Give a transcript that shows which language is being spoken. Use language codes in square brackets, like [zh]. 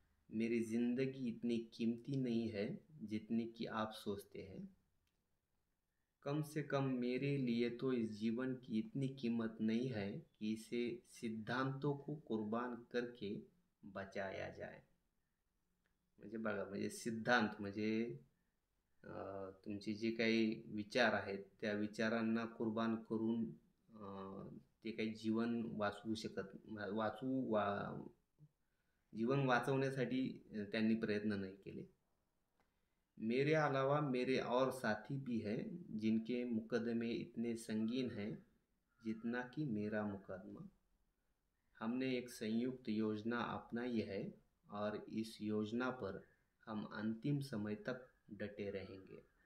[hi] मेरी जिंदगी इतनी कीमती नहीं है जितनी कि आप सोचते हैं। कम से कम मेरे लिए तो इस जीवन की इतनी कीमत नहीं है कि इसे सिद्धांतों को कुर्बान करके बचाया जाए। मुझे सिद्धांत [mr] मुझे तुमचे जे काही विचार आहेत त्या विचारांना कुर्बान करून ते काही जीवन वाचवू शकत वाचू वा जीवन वाचवण्यासाठी त्यांनी प्रयत्न नाही केले। [hi] मेरे अलावा मेरे और साथी भी हैं जिनके मुकदमे इतने संगीन हैं जितना कि मेरा मुकदमा। हमने एक संयुक्त योजना अपनाई है और इस योजना पर हम अंतिम समय तक डटे रहेंगे।